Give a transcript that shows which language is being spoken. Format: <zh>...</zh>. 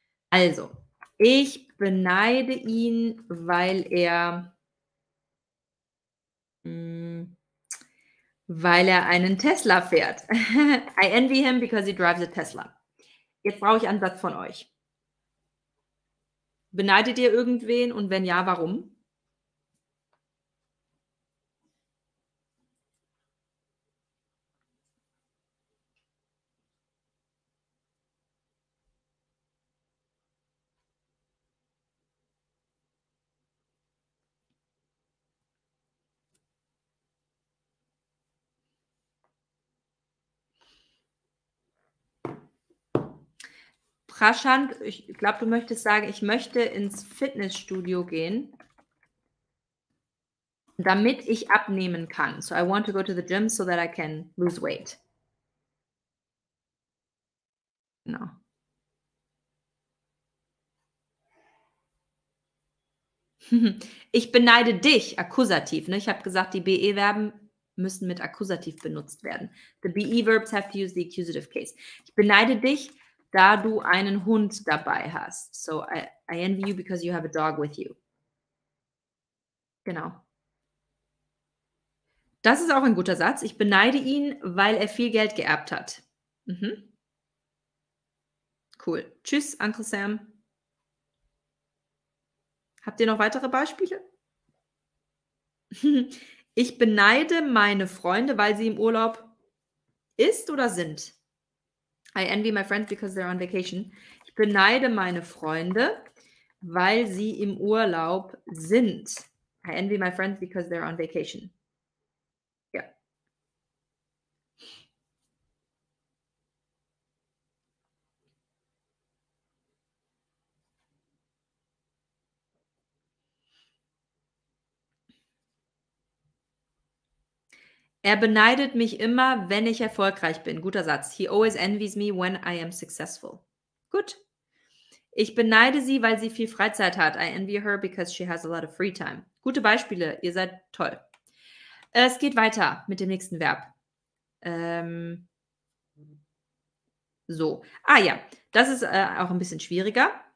<de>Also, ich beneide ihn, weil er einen Tesla fährt.</de> <en>I envy him because he drives a Tesla.</en> <de>Jetzt brauche ich einen Satz von euch. Beneidet ihr irgendwen und wenn ja, warum? Prashant, ich glaube, du möchtest sagen, ich möchte ins Fitnessstudio gehen, damit ich abnehmen kann.</de> <en>So I want to go to the gym so that I can lose weight.</en> <de>Genau. Ich beneide dich, Akkusativ. Ne? Ich habe gesagt, die BE-Verben müssen mit Akkusativ benutzt werden.</de> <en>The BE-Verbs have to use the accusative case.</en> <de>Ich beneide dich, da du einen Hund dabei hast.</de> <en>So, I envy you because you have a dog with you.</en> <de>Genau. Das ist auch ein guter Satz. Ich beneide ihn, weil er viel Geld geerbt hat. Mhm. Cool. Tschüss, Uncle Sam. Habt ihr noch weitere Beispiele? Ich beneide meine Freunde, weil sie im Urlaub ist oder sind.</de> <en>I envy my friends because they're on vacation.</en> <de>Ich beneide meine Freunde, weil sie im Urlaub sind.</de> <en>I envy my friends because they're on vacation. Ja. Yeah.</en> <de>Er beneidet mich immer, wenn ich erfolgreich bin. Guter Satz.</de> <en>He always envies me when I am successful.</en> <de>Gut. Ich beneide sie, weil sie viel Freizeit hat.</de> <en>I envy her because she has a lot of free time.</en> <de>Gute Beispiele. Ihr seid toll. Es geht weiter mit dem nächsten Verb. So. Ah ja, das ist auch ein bisschen schwieriger.</de>